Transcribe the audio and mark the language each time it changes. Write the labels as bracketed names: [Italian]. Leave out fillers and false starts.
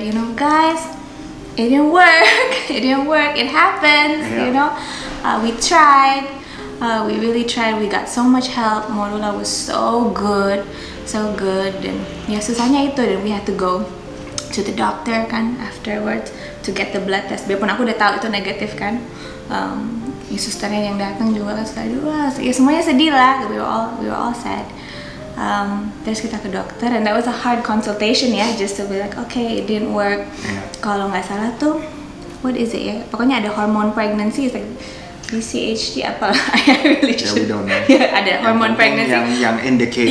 [English] You know guys, it didn't work. It happens. Yeah. You know, we tried. We really tried. We got so much help. Morula was so good. [Indonesian] Dan ya susahnya itu, dan [English] we had to go to the doctor [Indonesian] kan [English] afterwards to get the blood test. [Indonesian] Biarpun aku udah tahu itu negatif kan. Ya susternya yang datang juga kan sekali, wah ya semuanya sedih lah. [English] We were all sad. [Indonesian] Terus kita ke dokter, [English] and that was a hard consultation [Indonesian] ya, [English] just to be like okay, it didn't work. [Indonesian] Kalau nggak salah tuh [English] what is it [Indonesian] ya, pokoknya ada hormone pregnancy, [English] it's like [Indonesian] BCHD apa [English] yeah, we don't know. [Indonesian] Yeah, ada hormone yang pregnancy yang indicate.